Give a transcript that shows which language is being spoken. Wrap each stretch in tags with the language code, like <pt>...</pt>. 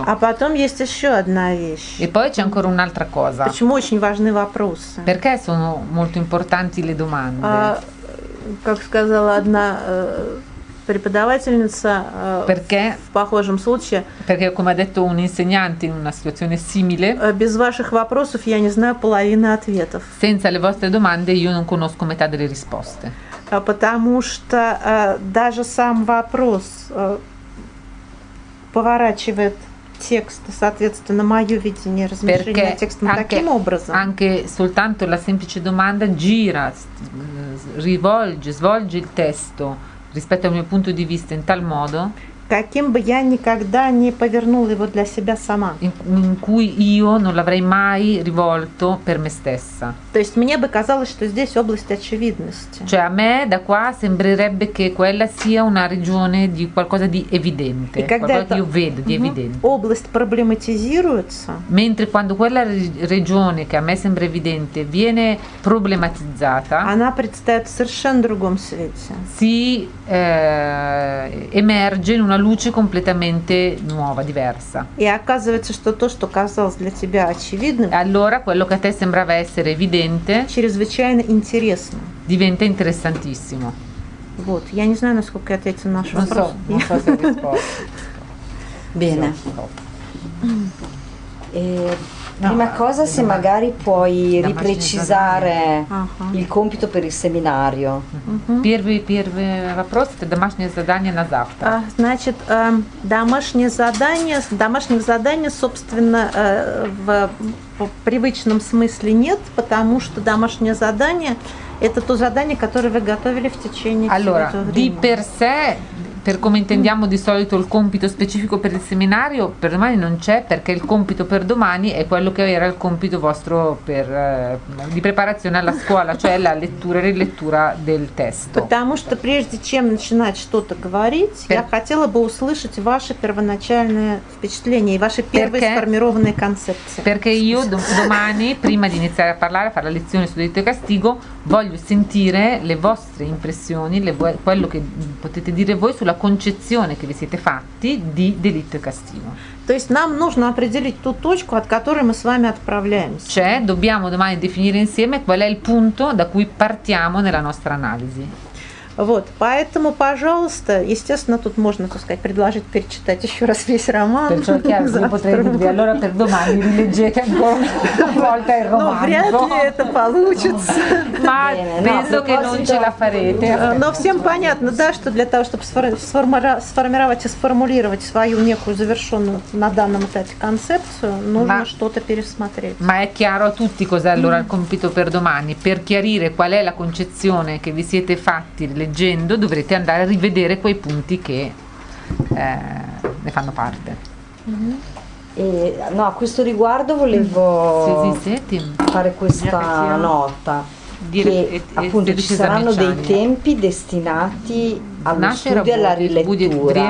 <ru>A potom есть еще одна вещь.</ru> <it>E poi c'è ancora un'altra cosa.</it> <ru>Почему очень важны вопросы?</ru> <it>Perché sono molto importanti le domande?</it> <ru>Как сказала одна... преподавательница</ru> <it>perché,</it> <ru>в похожем случае.</ru> <it>Perché, come ha detto un insegnante in una situazione simile.</it> <ru>Без ваших вопросов я не знаю половины ответов.</ru> <it>Senza le vostre domande io non conosco metà delle risposte.</it> <ru>Потому что даже сам вопрос поворачивает текст, соответственно, мое видение размещения текста таким образом.</ru> <it>Anche soltanto la semplice domanda gira, rivolge, svolge il testo. Rispetto al mio punto di vista in tal modo,</it> <ru>каким бы я никогда не повернула его для себя сама,</ru> <it>in cui io non l'avrei mai rivolto per me stessa.</it> <ru>То есть мне бы казалось, что здесь область очевидности.</ru> <it>Cioè a me da qua sembrerebbe che quella sia una regione di qualcosa di evidente, qualcosa che io vedo di evidente.</it> <ru>Область проблематизируется.</ru> <it>Mentre quando quella regione che a me sembra evidente viene problematizzata,</it> <ru>она предстает в совершенно другом свете.</ru> <it>Si emerge in una luce completamente nuova, diversa.</it> <ru>E оказывается, что то, что казалось для тебя очевидным,</ru> <it>allora quello che a te sembrava essere evidente,</it> <ru>чрезвычайно интересно.</ru> <it>Diventa interessantissimo.</it> <ru>Вот, я не знаю, насколько я ответила на ваш вопрос.</ru> <it>Non so, non so se Bene. No, prima cosa, se magari puoi ripreciare il compito per il seminario.</it> <ru>Первый вопрос – это домашнее задание на завтра. Значит, домашних заданий, собственно, в привычном смысле нет, потому что домашнее задание – это то задание, которое вы готовили в течение</ru> <it>allora,</it> <ru>всего этого времени.</ru> <it>Di per sé, per come intendiamo di solito il compito specifico per il seminario, per domani non c'è, perché il compito per domani è quello che era il compito vostro per, di preparazione alla scuola, cioè la lettura e rilettura del testo.</it> <ru>Потому что прежде чем начинать что-то говорить, я хотела бы услышать ваши первоначальные впечатления и ваши первые сформированные концепции.</ru> <it>Perché io domani, prima di iniziare a parlare, a fare la lezione su diritto e castigo, voglio sentire le vostre impressioni, quello che potete dire voi sulla concezione che vi siete fatti di delitto e castigo.</it> <ru>То есть нам нужно определить ту точку, от которой мы с вами отправляемся.</ru> <it>Cioè, dobbiamo domani definire insieme qual è il punto da cui partiamo nella nostra analisi.</it> <ru>Вот, поэтому, пожалуйста, естественно, тут можно, так сказать, предложить перечитать еще раз весь роман.</ru> <it>Perciò chiaro, vi potrei dire, allora per domani vi leggete ancora una volta il romanzo.</it> <ru>Но вряд ли это получится.</ru> <it>Ma penso che non ce la farete.</it> <ru>Но всем понятно, да, что для того, чтобы сформировать и сформулировать свою некую завершенную на данном этапе концепцию, нужно что-то пересмотреть.</ru> <it>Ma è chiaro a tutti cos'è allora il compito per domani? Per chiarire qual è la concezione che vi siete fatti leggendo, dovrete andare a rivedere quei punti che ne fanno parte. E, no, a questo riguardo volevo fare questa nota, dire che appunto ci saranno dei tempi destinati allo studio e alla rilettura.</it>